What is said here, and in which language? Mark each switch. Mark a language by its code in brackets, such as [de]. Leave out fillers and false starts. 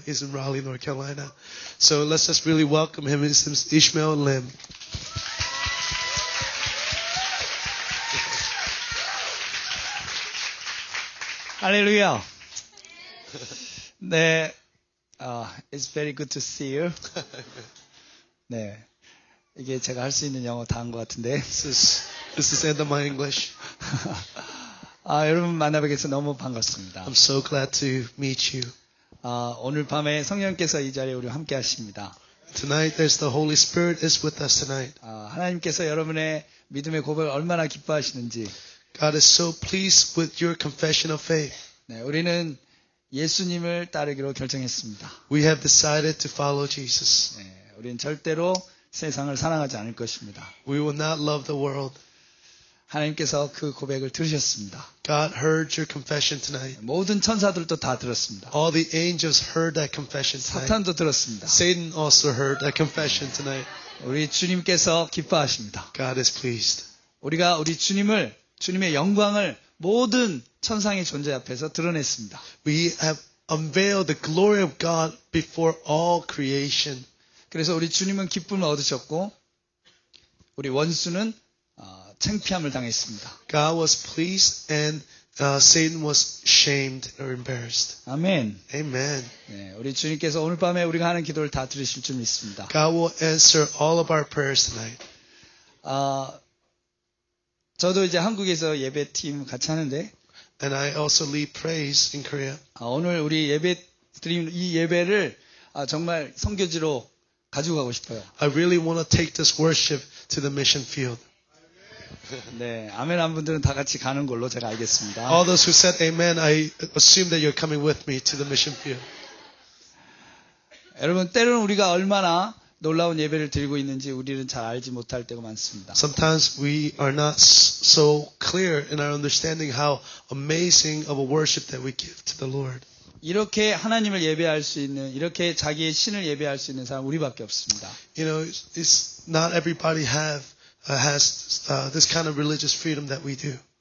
[en] He's in Raleigh, North Carolina. So let's just really welcome him. His name's Ishmael Lim. Hallelujah. 네, it's very good to see you. [ko] 네, 이게 제가 할 수 있는 영어 다 한 것 같은데. [en] This is end of my English. [ko] 아, 여러분 만나뵙게 돼서 너무 반갑습니다. [en] I'm so glad to meet you. [ko] 아, 오늘 밤에 성령께서 이 자리에 우리 함께 하십니다. [en] Tonight there's the Holy Spirit is with us tonight. [ko] 아, 하나님께서 여러분의 믿음의 고백을 얼마나 기뻐하시는지. [en] God is so pleased with your confession of faith. [ko] 네, 우리는 예수님을 따르기로 결정했습니다. [en] We have decided to follow Jesus. [ko] 네, 우리는 절대로 세상을 사랑하지 않을 것입니다. [en] We will not love the world. [ko] 하나님께서 그 고백을 들으셨습니다. [en] God heard your confession tonight. [ko] 모든 천사들도 다 들었습니다. [en] All the angels heard that confession tonight. [ko] 사탄도 들었습니다. [en] Satan also heard that confession tonight. [ko] 우리 주님께서 기뻐하십니다. [en] God is pleased. [ko] 우리가 우리 주님을 주님의 영광을 모든 천상의 존재 앞에서 드러냈습니다. [en] We have unveiled the glory of God before all creation. [ko] 그래서 우리 주님은 기쁨을 얻으셨고 우리 원수는 창피함을 당했습니다. [en] God was pleased and Satan was shamed or embarrassed. Amen. Amen. [ko] 네, 우리 주님께서 오늘 밤에 우리가 하는 기도를 다 들으실 줄 믿습니다. [en] God will answer all of our prayers tonight. [ko] 저도 이제 한국에서 예배 팀 같이 하는데. [en] And I also lead praise in Korea. [ko] 오늘 우리 예배 드림 이 예배를 정말 선교지로 가지고 가고 싶어요. [en] I really want to take this worship to the mission field. [ko] 네, 아멘 한 분들은 다 같이 가는 걸로 제가 알겠습니다. [en] All those who said amen, I assume that you're coming with me to the mission field. [ko] 여러분, 때로는 우리가 얼마나 놀라운 예배를 드리고 있는지 우리는 잘 알지 못할 때가 많습니다. [en] Sometimes we are not so clear in our understanding how amazing of a worship that we give to the Lord. [ko] 이렇게 하나님을 예배할 수 있는 이렇게 자기의 신을 예배할 수 있는 사람 우리밖에 없습니다. [en] You know, it's not everybody has this kind of religious freedom that we do.